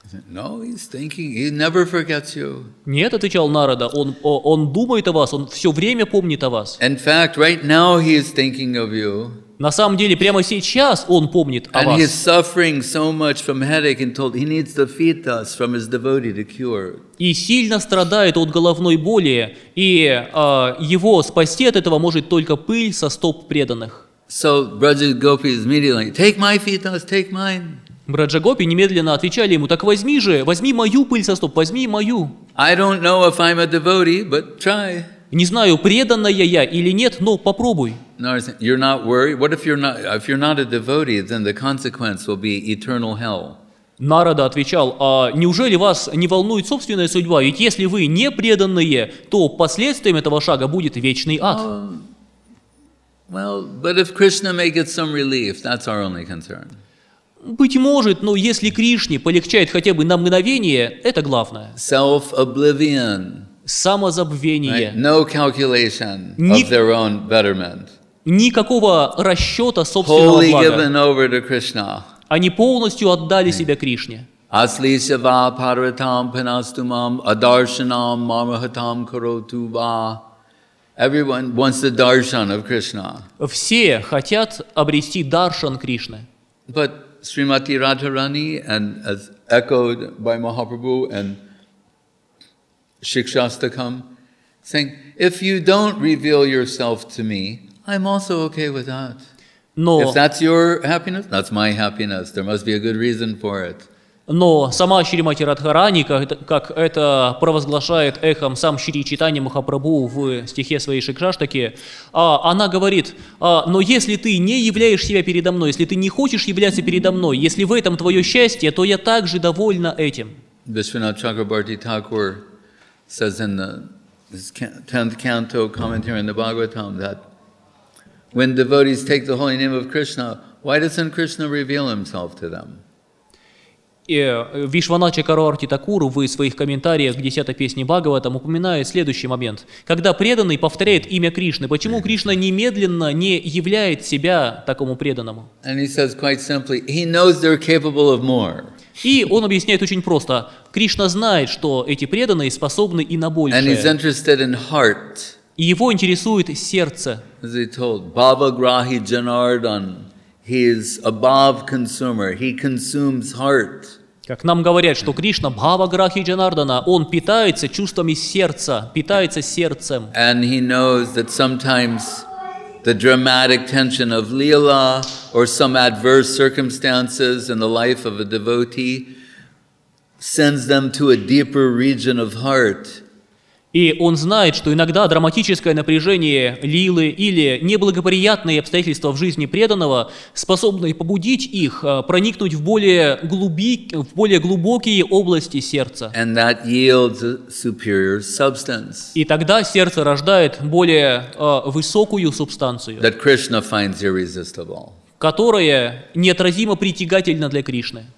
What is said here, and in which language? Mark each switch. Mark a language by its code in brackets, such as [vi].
[en] No, he's thinking, he never forgets you. [ru] Нет, отвечал Нарада, он думает о вас, он все время помнит о вас. [en] In fact, right now he is thinking of you. [ru] На самом деле, прямо сейчас он помнит о [en] and [ru] вас. [en] He's suffering so much from headache and told he needs to feed us from his devotee to cure. [ru] И сильно страдает от головной боли, и его спасти от этого может только пыль со стоп преданных. [en] So Brajic Gopi is immediately like, take my feet, take mine. [ru] Браджа-гопи немедленно отвечали ему, так возьми же, возьми мою пыль со стоп, возьми мою. [en] I don't know if I'm a devotee, but try. [ru] Не знаю, преданная я или нет, но попробуй. [en] You're not worried? What if you're not a devotee, then the consequence will be eternal hell. [ru] Нарада отвечал, а неужели вас не волнует собственная судьба? Ведь если вы не преданные, то последствием этого шага будет вечный ад. [en] Well, but if Krishna may get some relief, that's our only concern. [ru] Быть может, но если Кришне полегчает хотя бы на мгновение, это главное. [en] Self-oblivion. [ru] Самозабвение. [en] Right? No calculation of their own betterment. [ru] Никакого расчета собственного блага. [en] Wholly given over to Krishna. [ru] Они полностью отдали себя Кришне. [sa] Аслисева паратам панастумам адаршанам мамахатам каротува. [en] Everyone wants the darshan of Krishna. [ru] Все хотят обрести даршан Кришны. [en] But Srimati Radharani, and as echoed by Mahaprabhu and Shikshastakam, saying, if you don't reveal yourself to me, I'm also okay with that. [ru] Но, [en] if that's your happiness, that's my happiness. There must be a good reason for it. [ru] Но сама Шримати Радхарани, как это провозглашает эхом сам Шри Чайтанья Махапрабху в стихе своей Шикшаштаки, она говорит, но если ты не являешь себя передо мной, если ты не хочешь являться передо мной, если в этом твое счастье, то я также довольна этим. [en] Вишванатха Чакрабарти Такур says in the 10th canto commentary in the Bhagavatam that when devotees take the holy name of Krishna, why doesn't Krishna reveal himself to them? [ru] Вишванатха Чакрабарти Такур в своих комментариях к 10-й песне Бхагаватам упоминает следующий момент. Когда преданный повторяет имя Кришны, почему Кришна немедленно не являет себя такому преданному? [en] And he says quite simply, he knows they're capable of more. [ru] И он объясняет очень просто. Кришна знает, что эти преданные способны и на большее. [en] And he's interested in heart. [ru] И его интересует сердце. [en] As he told, Bhava Grahi Janardhan. He is above consumer. He consumes heart. [ru] Как нам говорят, что Кришна Бхава Грахи Джанардана, он питается чувствами сердца, питается сердцем. [en] And he knows that sometimes the dramatic tension of Leela or some adverse circumstances in the life of a devotee sends them to a deeper region of heart. [ru] И он знает, что иногда драматическое напряжение лилы или неблагоприятные обстоятельства в жизни преданного способны побудить их проникнуть в более глубокие области сердца. [en] And that yields a superior substance. [ru] И тогда сердце рождает более высокую субстанцию, [en] that Krishna finds irresistible. [ru] Которая неотразимо притягательна для Кришны.